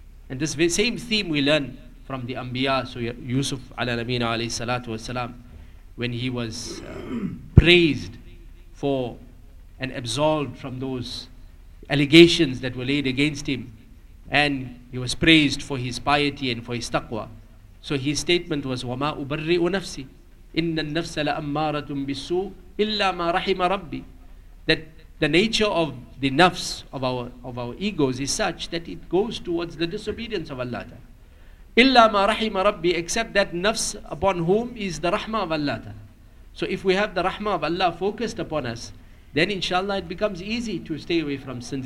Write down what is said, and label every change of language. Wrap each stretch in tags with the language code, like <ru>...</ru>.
<en>And this same theme we learn from the Anbiya, so Yusuf alayhi salatu wasalam, when he was praised for and absolved from those allegations that were laid against him, and he was praised for his piety and for his taqwa. So his statement was,</en> <ar>وَمَا أُبَرِّئُ نَفْسِي إِنَّ النَّفْسَ لَأَمَّارَةٌ بِالسُّوءِ إِلَّا مَا رَحِمَ رَبِّي.</ar> <en>That the nature of the nafs, of our egos, is such that it goes towards the disobedience of Allah Ta'ala.</en> <ar>إِلَّا مَا رَحِمَ رَبِّي,</ar> <en>except that nafs upon whom is the rahmah of Allah Ta'ala. So if we have the rahmah of Allah focused upon us, then inshallah it becomes easy to stay away from sins.</en>